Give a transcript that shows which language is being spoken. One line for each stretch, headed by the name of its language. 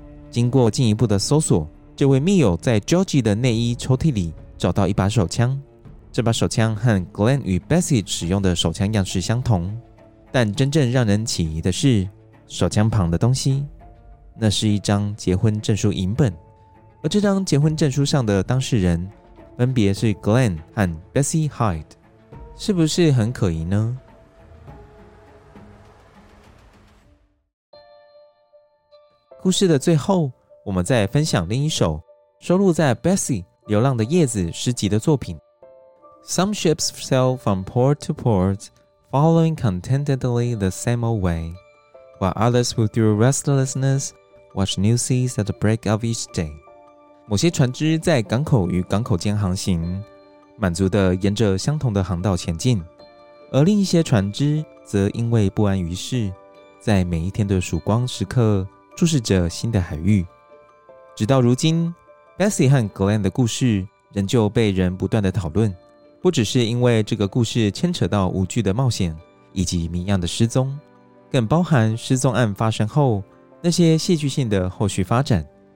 Chinese: 经过进一步的搜索，这位密友在 Georgie 的内衣抽屉里找到一把手枪，这把手枪和 Glenn 与 Bessie 使用的手枪样式相同，但真正让人起疑的是手枪旁的东西，那是一张结婚证书影本，而这张结婚证书上的当事人分别是 Glenn 和 Bessie Hyde， 是不是很可疑呢？故事的最后，我们再分享另一首收录在 Bessie 流浪的叶子诗集的作品。
English: Some ships sail from port to port, following contentedly the same old way, while others who through restlessness watch new seas at the break of each day.
Chinese: 某些船只在港口与港口间航行，满足地沿着相同的航道前进，而另一些船只则因为不安于世，在每一天的曙光时刻注视着新的海域。直到如今， Bessie 和 Glenn 的故事仍旧被人不断的讨论，不只是因为这个故事牵扯到无惧的冒险以及谜样的失踪，更包含失踪案发生后那些戏剧性的后续发展。